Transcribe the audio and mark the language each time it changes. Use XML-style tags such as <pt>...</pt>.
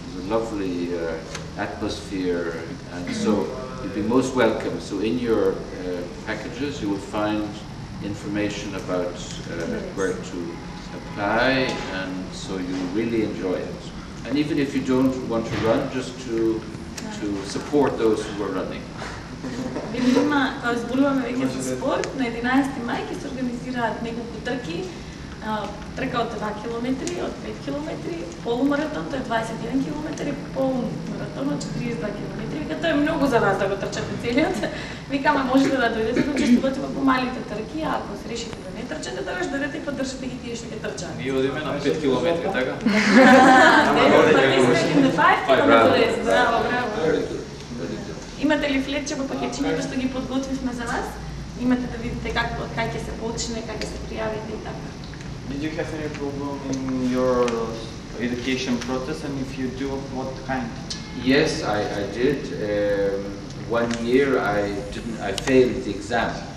<en>It was a lovely atmosphere, and so you'd be most welcome. So in your packages you will find information about where to apply, and so you really enjoy it. And even if you don't want to run, just to support those who are running.</en> <mk>Видима, кога зборуваме веќе за спорт, на 11 мај ќе се организираат неколку трки, трка од 2 километри, од 5 километри, полумаратон, тоа е 21 километар, и полумаратон од 42 километри. Вика, тоа е многу за вас да го трчате целиот. Вика, ама можете да дојдете да учествувате во малите трки, а ако се решите да не трчате, тогаш дојдете и поддржите ги тие што ќе трчаат. Ние одиме на 5 километри, така? Да, ама горе ќе го ушим. Браво, браво. Имате ли флетче во пакетчињето што ги подготвивме за вас? Имате да видите како, кај ќе се почне, кај ќе се пријавите и така.</mk> <en>Did you have any problem in your education process, and if you do, what kind? Yes, I did. One year I failed the exam.</en>